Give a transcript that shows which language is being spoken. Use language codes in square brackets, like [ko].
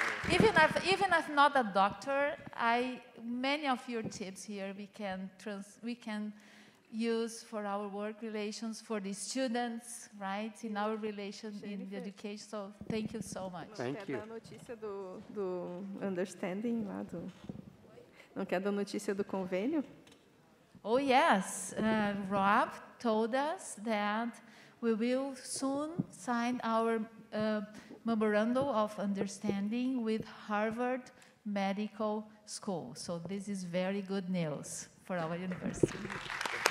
[en] Even if not a doctor, many of your tips here we can use for our work relations, for the students, right? In our relation in the education. So thank you so much. Thank you. [pt] Não quer dar notícia do understanding lá do. Não quer dar notícia do convênio? [en] Oh yes, Rob told us that we will soon sign our memorandum of understanding with Harvard Medical School. So this is very good news for our university.